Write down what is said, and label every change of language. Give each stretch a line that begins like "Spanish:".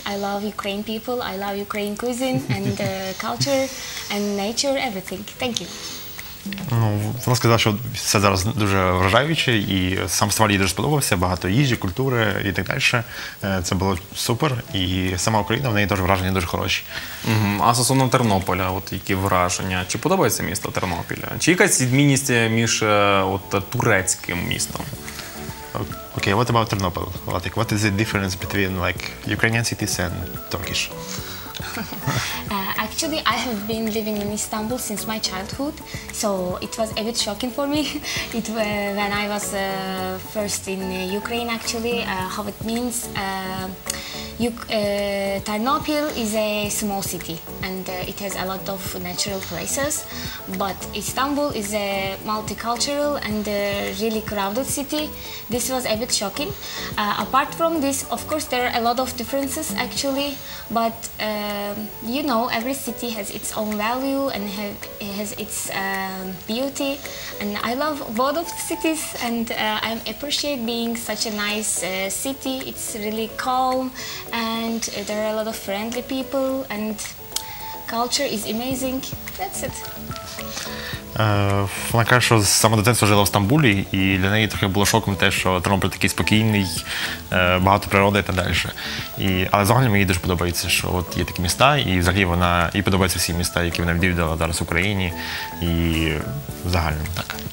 English: I love Ukraine people, I love Ukraine cuisine and culture and nature, everything. Thank you.
Ukrainian: Ну, вона сказала, що все зараз дуже вражаюче, і сам фестиваль їй дуже сподобався, багато їжі, культури і так далі. Це було супер, і сама Україна, в неї теж враження дуже хороші. А стосовно Тернополя, от які враження? Чи подобається місто Тернополя? Чи якась відмінність між от, турецьким містом?
English: Okay, what about Тернопіль? Like, what is the difference between like, Ukrainian cities and Turkish? Actually, I have been living in Istanbul since my childhood, so it was a bit shocking for me it, when I was first in Ukraine, actually, how it means. Tarnopil is a small city and it has a lot of natural places, but Istanbul is a multicultural and really crowded city. This was a bit shocking. Apart from this, of course, there are a lot of differences, actually, but you know, every city has its own value and has its beauty, and I love both of the cities, and I appreciate being such a nice city. It's really calm and there are a lot of friendly people and culture is amazing. That's it.
Ukrainian: Вона каже, що саме до дитинства жила в Стамбулі, і для неї трохи було шоком те, що Тернопіль такий спокійний, багато природи і так далі. І, але взагалі мені дуже подобається, що от є такі міста, і взагалі вона і подобається всі міста, які вона відвідала зараз в Україні, і взагалі так.